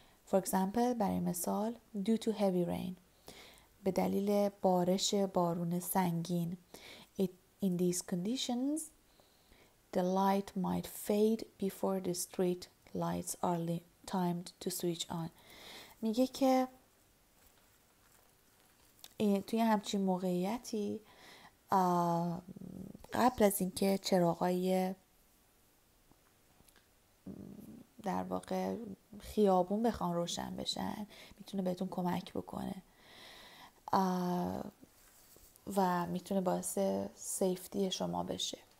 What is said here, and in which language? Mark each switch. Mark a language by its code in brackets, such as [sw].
[en] For example، [fa] برای مثال [en] due to heavy rain، [fa] به دلیل بارش بارون سنگین. [en] In these conditions the light might fade before the street lights are timed to switch on. [fa] میگه که توی همچین موقعیتی قبل از اینکه چراغای در واقع خیابون بخوان روشن بشن میتونه بهتون کمک بکنه و میتونه باعث سیفتی شما بشه.